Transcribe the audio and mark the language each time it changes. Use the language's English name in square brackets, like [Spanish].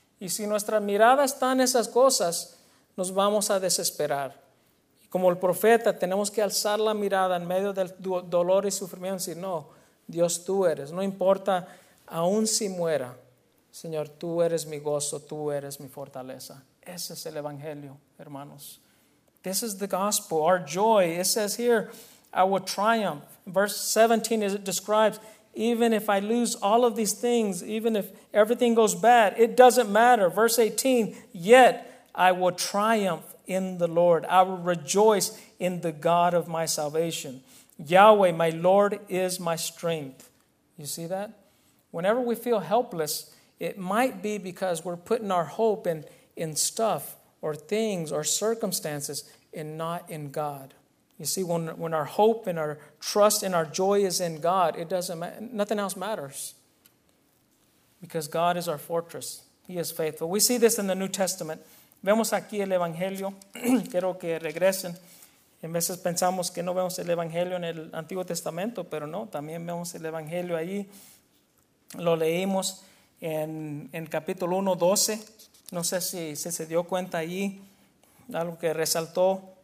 [Spanish] Y si nuestra mirada está en esas cosas, nos vamos a desesperar. Como el profeta, tenemos que alzar la mirada en medio del dolor y sufrimiento y decir, no, Dios, tú eres. No importa, aún si muera, Señor, tú eres mi gozo, tú eres mi fortaleza. Ese es el evangelio, hermanos. [English] This is the gospel, our joy. It says here, our triumph. Verse 17, it describes, even if I lose all of these things, even if everything goes bad, it doesn't matter. Verse 18, yet I will triumph in the Lord. I will rejoice in the God of my salvation. Yahweh, my Lord, is my strength. You see that? Whenever we feel helpless, it might be because we're putting our hope in stuff or things or circumstances and not in God. You see, when our hope and our trust and our joy is in God, it doesn't matter. Nothing else matters. Because God is our fortress. He is faithful. We see this in the New Testament. [Spanish] Vemos aquí el Evangelio. Quiero que regresen. En veces pensamos que no vemos el Evangelio en el Antiguo Testamento, pero no, también vemos el Evangelio ahí. Lo leímos en capítulo 1, 12. No sé si se dio cuenta ahí, algo que resaltó.